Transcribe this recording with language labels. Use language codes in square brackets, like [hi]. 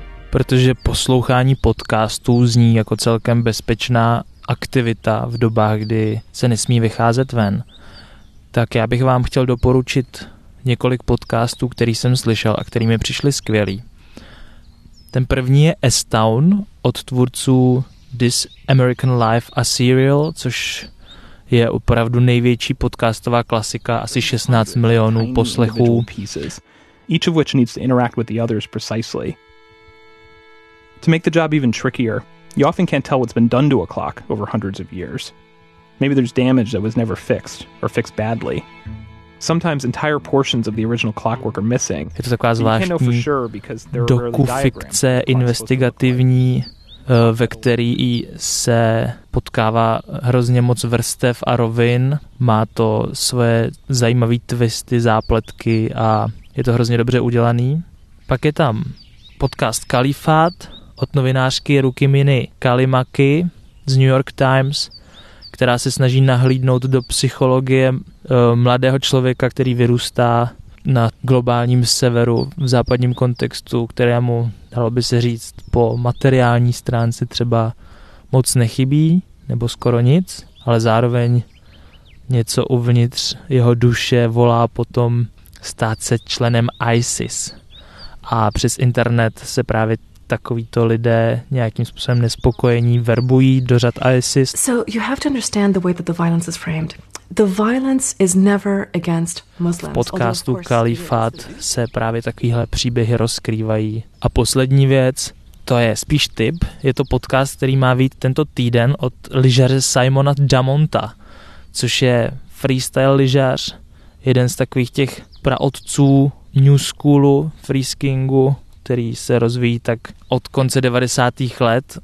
[cs] Protože poslouchání podcastů zní jako celkem bezpečná aktivita v dobách, kdy se nesmí vycházet ven, tak já bych vám chtěl doporučit několik podcastů, který jsem slyšel a který mi přišli skvělý. Ten první je S-Town od tvůrců This American Life a Serial, což je opravdu největší podcastová klasika, asi 16 milionů poslechů. [en] Each of which needs to interact with the others precisely. To make the job even trickier, you often can't tell what's been done to a clock over hundreds of years. Maybe there's damage that was never fixed, or fixed badly. Sometimes entire portions of the original clockwork are missing. [cs] Je to taková zvláštní dokufikce investigativní, ve který se potkává hrozně moc vrstev a rovin. Má to svoje zajímavé twisty, zápletky a je to hrozně dobře udělaný. Pak je tam podcast Kalifát od novinářky Rukmini Kalimaki z New York Times, která se snaží nahlídnout do psychologie mladého člověka, který vyrůstá na globálním severu v západním kontextu, kterému, dalo by se říct, po materiální stránce třeba moc nechybí, nebo skoro nic, ale zároveň něco uvnitř jeho duše volá potom stát se členem ISIS. A přes internet se právě takovýto lidé nějakým způsobem nespokojení verbují do řad ISIS. [en] So you have to understand the way that the violence is framed. The violence is never against Muslims. [cs] V podcastu Kalifát se právě takovýhle příběhy rozkrývají. A poslední věc, to je spíš tip, je to podcast, který má vyjít tento týden od lyžaře Simona Damonta, což je freestyle lyžař, jeden z takových těch praotců new schoolu, freeskingu, který se rozvíjí tak od konce 90. let.